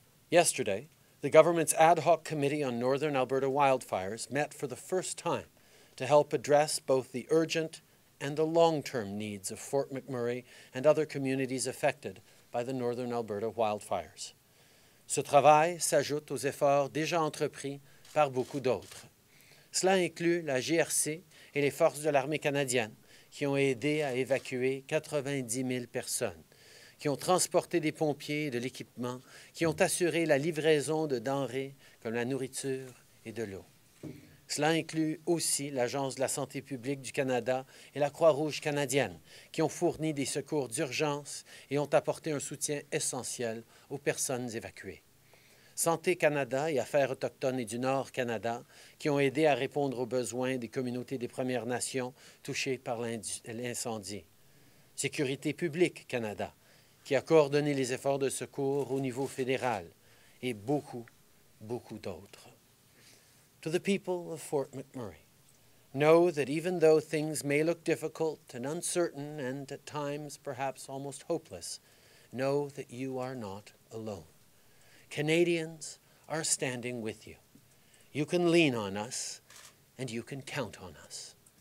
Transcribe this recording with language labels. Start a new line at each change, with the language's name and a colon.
English: Yesterday, the government's ad hoc committee on Northern Alberta wildfires met for the first time to help address both the urgent and the long-term needs of Fort McMurray and other communities affected by the Northern Alberta wildfires.
French: Ce travail s'ajoute aux efforts déjà entrepris par beaucoup d'autres. Cela inclut la GRC et les forces de l'armée canadienne qui ont aidé à évacuer 90 000 personnes, qui ont transporté des pompiers et de l'équipement, qui ont assuré la livraison de denrées comme la nourriture et de l'eau. Cela inclut aussi l'Agence de la santé publique du Canada et la Croix-Rouge canadienne, qui ont fourni des secours d'urgence et ont apporté un soutien essentiel aux personnes évacuées. Santé Canada et Affaires autochtones et du Nord Canada, qui ont aidé à répondre aux besoins des communautés des Premières Nations touchées par l'incendie. Sécurité publique Canada, qui a coordonné les efforts de secours au niveau fédéral. et beaucoup, beaucoup d'autres.
English: To the people of Fort McMurray, know that even though things may look difficult and uncertain and at times perhaps almost hopeless, know that you are not alone. Canadians are standing with you. You can lean on us and you can count on us.